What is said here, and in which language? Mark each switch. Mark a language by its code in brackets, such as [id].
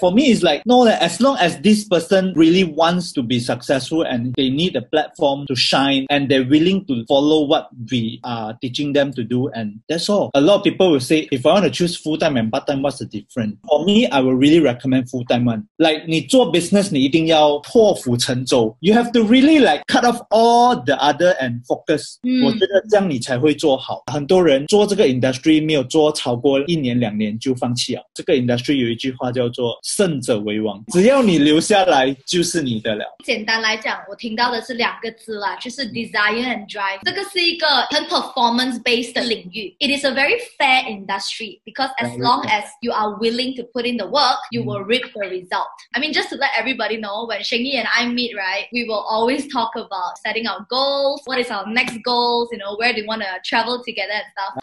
[en] For me, it's like no, that as long as this person really wants to be successful and they need a platform to shine and they're willing to follow what we are teaching them to do, and that's all. A lot of people will say, if I want to choose full time and part time, what's the difference? For me, I will really recommend full time one. Like 你做 business 你一定要破釜沉舟。 You have to really like cut off all the other and focus. [zh] 我觉得这样你才会做好。很多人做这个 industry 没有做超过一年两年就放弃了。这个 industry 有一句话叫做胜者为王。只要你留下来就是你的了。简单来讲我听到的是两个字啦，就是 desire and drive。 [en] 这个是一个很 performance based 的领域。 It is a very fair industry because as long as you are willing to put in the work, result, you will reap the result. I mean, just to let everybody know, when Sheng Yi and I meet, right, we will always talk about setting our goals, what is our next goals, you know, where do you want to travel together and stuff.